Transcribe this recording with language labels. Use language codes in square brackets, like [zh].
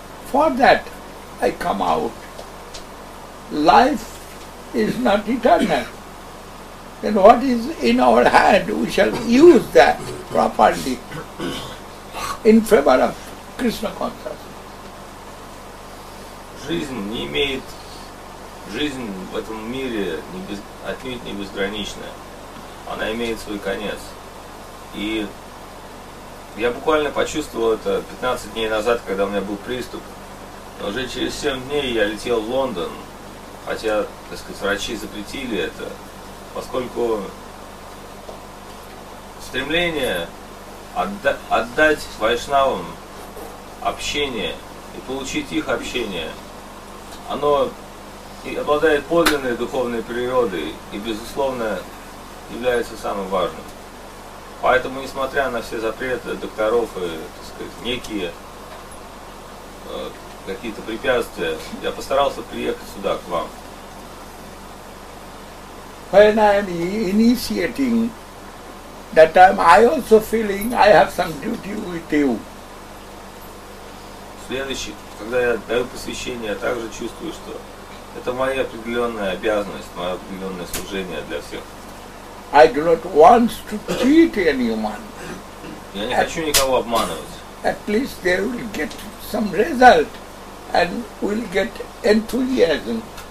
[en] For that, I come out. Life is not eternal. Then what is in our hand, we shall use that properly in favor of Krishna consciousness. [ru] Жизнь не имеет... Жизнь в этом мире не без, отнюдь не безграничная. Она имеет свой конец. И я буквально почувствовал это 15 дней назад, когда у меня был приступ. Но уже через 7 дней я летел в Лондон, хотя, так сказать, врачи запретили это, поскольку стремление отдать вайшнавам общение и получить их общение, оно и обладает подлинной духовной природой и, безусловно, является самым важным. Поэтому, несмотря на все запреты докторов и, так сказать, некие какие-то препятствия, я постарался приехать сюда, к вам. [en] When I am initiating, that time I also feeling I have some duty with you. [ru] Следующий, когда я даю посвящение, я также чувствую, что это моя определенная обязанность, мое определенное служение для всех. [en] I do not want to cheat anyone. [ru] Я не хочу никого обманывать. [en] At least they will get some result and will get enthusiasm.